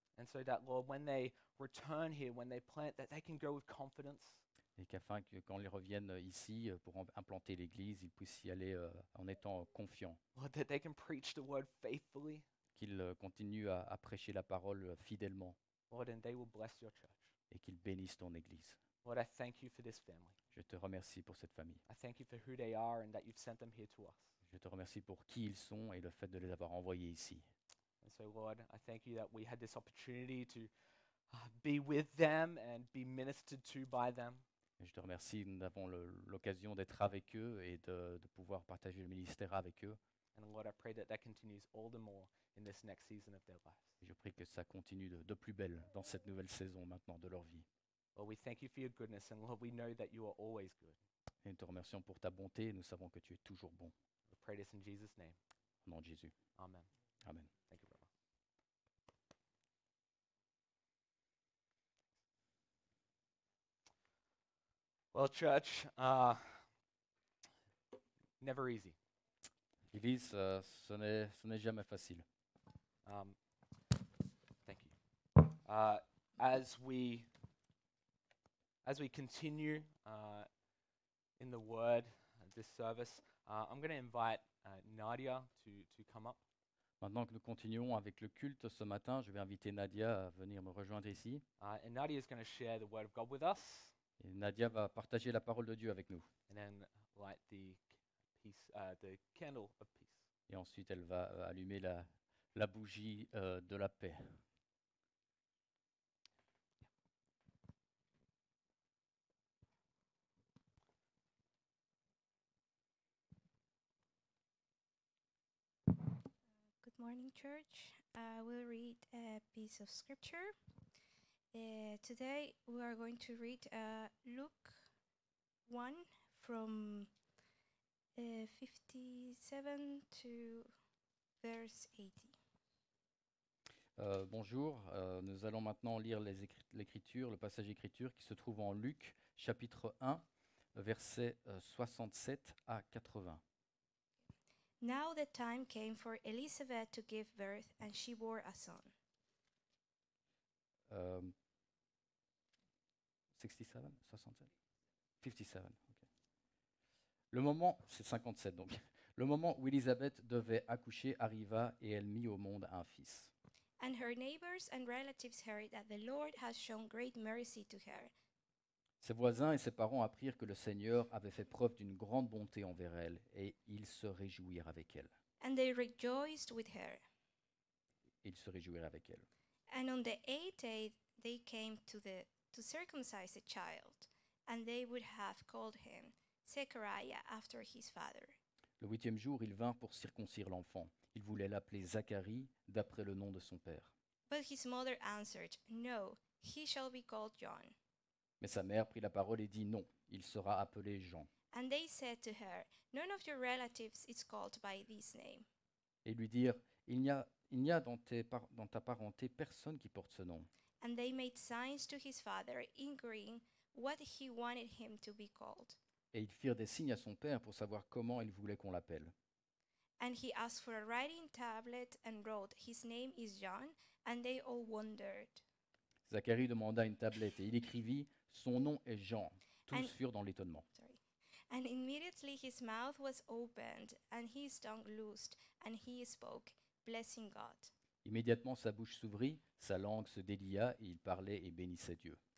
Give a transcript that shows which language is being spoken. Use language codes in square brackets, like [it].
[en] And so that Lord, when they return here, when they plant, that they can go with confidence. [fr] Et qu'afin que quand ils reviennent ici pour implanter l'église, ils puissent y aller en étant confiants. [en] Lord, that they can preach the word faithfully. [fr] Qu'ils continuent à prêcher la parole fidèlement. [en] Lord, and they will bless your church. [fr] Et qu'ils bénissent ton église. [en] Lord, I thank you for this family. [fr] Je te remercie pour cette famille. [en] I thank you for who they are and that you've sent them here to us. [fr] Je te remercie pour qui ils sont et le fait de les avoir envoyés ici. [en] And so, Lord, I thank you that we had this opportunity to be with them and be ministered to by them. [fr] Je te remercie, nous avons l'occasion d'être avec eux et de pouvoir partager le ministère avec eux. [en] And Lord, I pray that that continues all the more in this next season of their lives. [fr] Je prie que ça continue de plus belle dans cette nouvelle saison maintenant de leur vie. [en] Lord, we thank you for your goodness, and Lord, we know that you are always good. [fr] Et nous te remercions pour ta bonté, et nous savons que tu es toujours bon. [en] We pray this in Jesus' name. [fr] Au nom de Jésus. [en] Amen. Amen. Thank you, brother. Well, church, never easy. [fr] Église, ce n'est jamais facile. [en] Thank you. As we continue in the Word, this service, I'm going to invite Nadia to come up. [fr] Maintenant que nous continuons avec le culte ce matin, je vais inviter Nadia à venir me rejoindre ici. [en] And Nadia is going to share the Word of God with us. [fr] Et Nadia va partager la parole de Dieu avec nous. [en] And then light the candle of peace. [fr] Et ensuite, elle va allumer la bougie de la paix. [en] Good morning, church. I will read a piece of scripture. Today we are going to read Luke 1 from 57 to verse 80. [fr] Bonjour, nous allons maintenant lire le passage d'écriture qui se trouve en Luc chapitre 1, versets 67 à 80. [en] Now the time came for Elizabeth to give birth, and she bore a son. [fr] 57, okay. Le moment, c'est 57 donc. Le moment où Elizabeth devait accoucher arriva, et elle mit au monde un fils. [en] And her neighbors and relatives heard that the Lord has shown great mercy to her. [fr] Ses voisins et ses parents apprirent que le Seigneur avait fait preuve d'une grande bonté envers elle et ils se réjouirent avec elle. [en] And they rejoiced with her. [fr] Ils se réjouirent avec elle. [en] And on the eighth day they came to circumcise the child, and they would have called him Zechariah after his father. [fr] Le huitième jour, ils vinrent pour circoncire l'enfant. Ils voulaient l'appeler Zacharie d'après le nom de son père. [en] But his mother answered, "No, he shall be called John." [fr] Mais sa mère prit la parole et dit, "Non, il sera appelé Jean." [en] And they said to her, "None of your relatives is called by this name." [fr] Et lui dirent, il n'y a dans ta parenté personne qui porte ce nom. [en] And they made signs to his father, agreeing what he wanted him to be called. [fr] Et ils firent des signes à son père pour savoir comment il voulait qu'on l'appelle. [en] And he asked for a writing tablet and wrote, "His name is John," and they all wondered. [fr] Zacharie demanda une tablette et il écrivit, "Son nom est Jean." Tous furent dans l'étonnement. [en] Sorry. And immediately his mouth was opened and his tongue loosed and he spoke, blessing God. [fr] Immédiatement sa bouche s'ouvrit, sa langue se délia et il parlait et bénissait Dieu.